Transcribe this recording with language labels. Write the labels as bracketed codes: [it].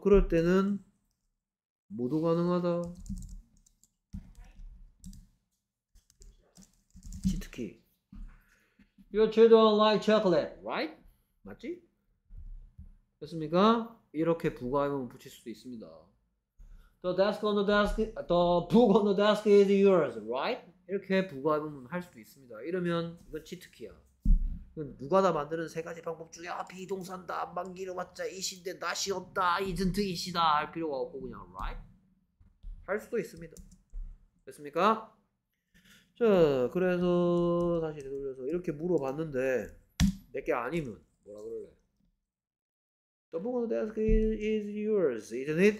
[ko] 그럴 때는 모두 가능하다. 치트키. [en] Your children like chocolate, right? [ko] 맞지? 됐습니까? 이렇게 부가의문 붙일 수도 있습니다. [en] The desk on the desk, the book on the desk is yours, right? [ko] 이렇게 부가의문 할 수도 있습니다. 이러면 이건 치트키야. 이건 누가 다 만드는 세 가지 방법 중에 아, 비동사다, 만기로 맞자, 이신데 낫이 없다, 이젠트 이시다 할 필요가 없고 그냥 right? 할 수도 있습니다. 됐습니까? 자, 그래서 다시 되돌려서 이렇게 물어봤는데 내 게 아니면 뭐라 그럴래? [en] The book on the desk is yours, isn't it?